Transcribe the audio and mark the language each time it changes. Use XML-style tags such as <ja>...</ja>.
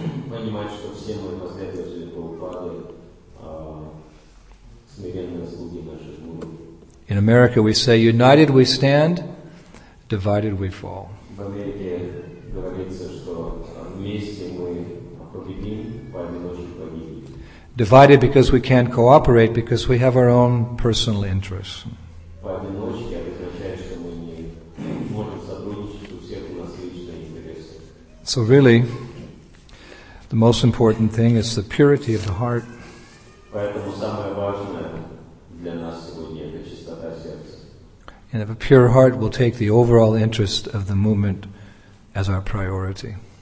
<ru>Понимать, что все мы последователи Прабхупады, смиренные слуги наших гуру.</ru> <en>In America we say, united we stand, divided we fall.</en> <ru>В Америке говорится, что вместе мы победим, поодиночке погибнем.</ru> <en>Divided because we can't cooperate, because we have our own personal interests.</en> <ru>Поодиночке означает, что мы не можем сотрудничать, у всех у нас личные интересы.</ru> <en>So really, the most important thing is the purity of the heart.</en> <ru>Поэтому самое важное для нас сегодня это чистота сердца.</ru> <en>And of a pure heart, we'll take the overall interest of the movement as our priority.</en>